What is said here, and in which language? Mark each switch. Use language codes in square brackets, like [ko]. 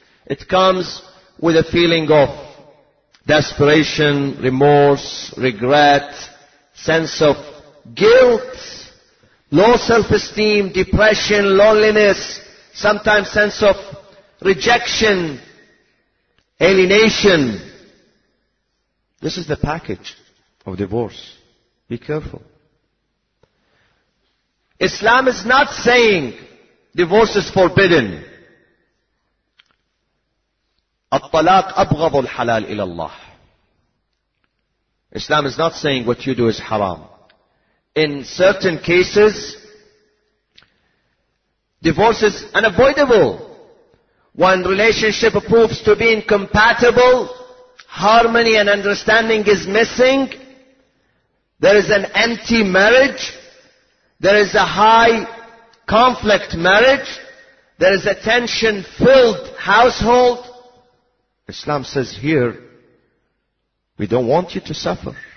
[en] It comes with a feeling of desperation, remorse, regret, sense of guilt, low self-esteem, depression, loneliness, sometimes sense of rejection, alienation. This is the package of divorce. Be careful. Islam is not saying divorce is forbidden. [ar] الطلاق أبغض الحلال إلى الله. [en] Islam is not saying what you do is haram. In certain cases, divorce is unavoidable. When relationship proves to be incompatible, harmony and understanding is missing, there is an empty marriage, there is a high conflict marriage, there is a tension-filled household, Islam says here, we don't want you to suffer.